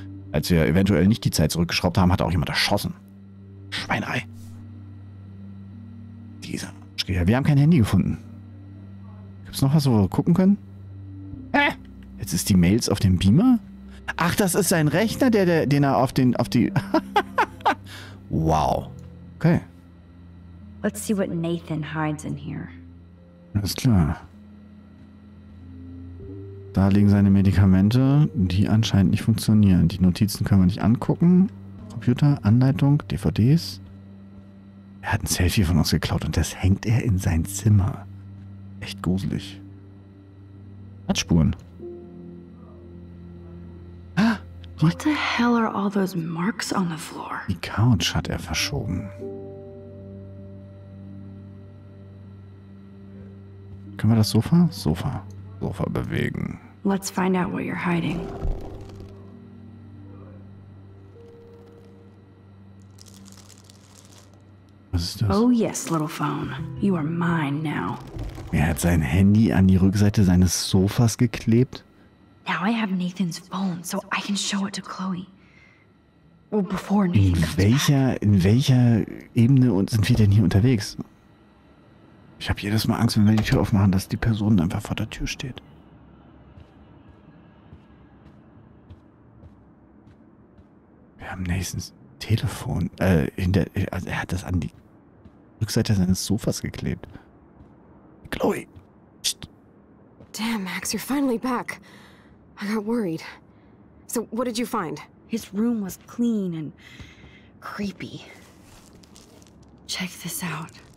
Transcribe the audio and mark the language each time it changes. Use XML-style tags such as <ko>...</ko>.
<de>Als wir eventuell nicht die Zeit zurückgeschraubt haben, hat er auch jemand erschossen. Schweinerei. Dieser Schreier, wir haben kein Handy gefunden. Gibt's noch was, wo wir gucken können? Hä? Jetzt ist die Mails auf dem Beamer? Ach, das ist sein Rechner, den er auf die... Wow. Okay.</de> <en>Let's see what Nathan hides in here.</en> <de>Alles klar. Da liegen seine Medikamente, die anscheinend nicht funktionieren. Die Notizen können wir nicht angucken. Computer, Anleitung, DVDs. Er hat ein Selfie von uns geklaut und das hängt er in sein Zimmer. Echt gruselig. Hat Spuren.</de> <en>What the hell are all those marks on the floor?</en> <de>Die Couch hat er verschoben. Können wir das Sofa? Sofa. Sofa bewegen.</de> <en>Let's find out what you're hiding.</en> <de>Was ist das?</de> <en>Oh yes, little phone. You are mine now.</en> <de>Er hat sein Handy an die Rückseite seines Sofas geklebt.</de> <en>Now I have Nathan's phone, so I can show it to Chloe. Well, before Nathan comes back.</en> <de>In welcher Ebene sind wir denn hier unterwegs? Ich habe jedes Mal Angst, wenn wir die Tür aufmachen, dass die Person einfach vor der Tür steht. Wir haben Nathans Telefon. Also er hat das an die Rückseite seines Sofas geklebt.</de> <en>Chloe! Psst. Damn, Max, you're finally back. I got worried. So, what did you find? His room was clean and creepy. Check this out.</en>